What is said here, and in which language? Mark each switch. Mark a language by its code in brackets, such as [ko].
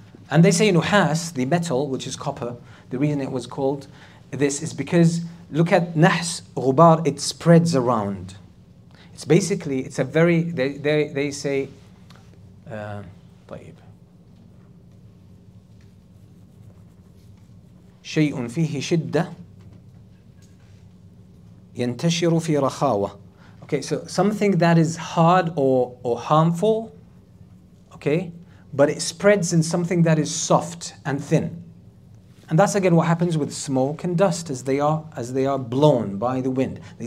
[en] And they say nuhas, the metal, which is copper, the reason it was called this is because, look at nahs, ghubar, it spreads around. It's basically, it's a very, they say, طيب. [ar] شيء فيه شدة ينتشر في رخاوة. [en] Okay, so something that is hard or harmful, okay, but it spreads in something that is soft and thin. And that's again what happens with smoke and dust as they are blown by the wind.